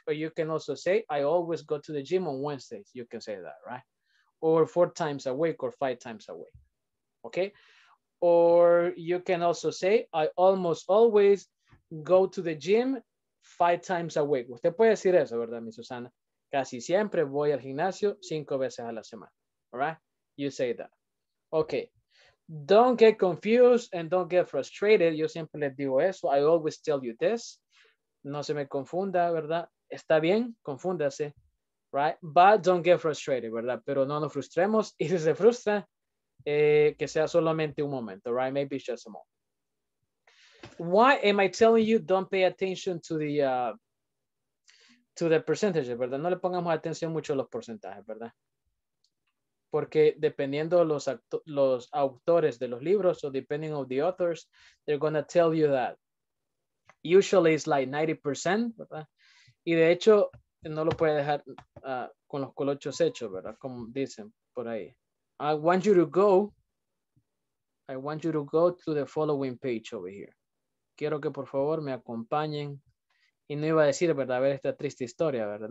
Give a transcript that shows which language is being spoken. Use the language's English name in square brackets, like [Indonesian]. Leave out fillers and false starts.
[English] Or you can also say, I always go to the gym on Wednesdays. You can say that, right? Or 4 times a week or 5 times a week. Okay. Or you can also say, I almost always go to the gym 5 times a week. [Spanish] Usted puede decir eso, ¿verdad, Miss Susana? Casi siempre voy al gimnasio 5 veces a la semana. [English] All right? You say that. Okay. Don't get confused and don't get frustrated. [Spanish] Yo siempre les digo eso. [English] I always tell you this. [Spanish] No se me confunda, ¿verdad? Está bien, confúndase. [English] Right? But don't get frustrated, ¿verdad? [Spanish] Pero no nos frustremos. Y si se frustra, que sea solamente un momento. [English] Right? Maybe it's just a moment. Why am I telling you don't pay attention to the... to the percentages, ¿verdad? [Spanish] No le pongamos atención mucho a los porcentajes, ¿verdad? Porque dependiendo los autores de los libros, [English] so depending on the authors, they're going to tell you that usually it's like 90%, ¿verdad? [Spanish] Y de hecho, no lo puede dejar con los colochos hechos, ¿verdad? Como dicen por ahí. [English] I want you to go to the following page over here. [Spanish] Quiero que por favor me acompañen. Y no iba a decir, ¿verdad? A ver esta triste historia, ¿verdad?